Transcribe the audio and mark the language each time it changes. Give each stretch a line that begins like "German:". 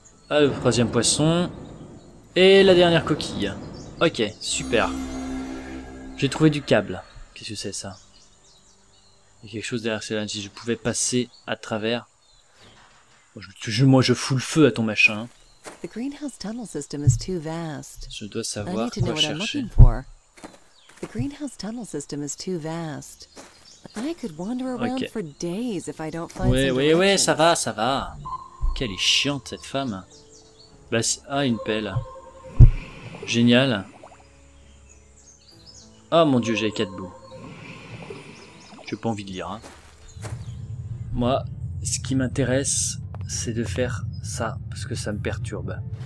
French: Ah, le troisième poisson. Et la dernière coquille. Ok, super. J'ai trouvé du câble. Qu'est-ce que c'est ça? Il y a quelque chose derrière celle-là. Si je pouvais passer à travers. Moi, je fous le feu à ton machin.
English: The greenhouse tunnel system is too vast.
French: Je dois savoir quoi chercher.
English: What I'm looking for. The greenhouse tunnel system is too vast. I could wander around for days if I don't find something.
French: Ouais, ça va. Quelle est chiante cette femme. Bah, ah, une pelle. Génial. Oh mon dieu, j'ai 4 bouts. J'ai pas envie de lire. Hein. Moi, ce qui m'intéresse, c'est de faire ça, parce que ça me perturbe.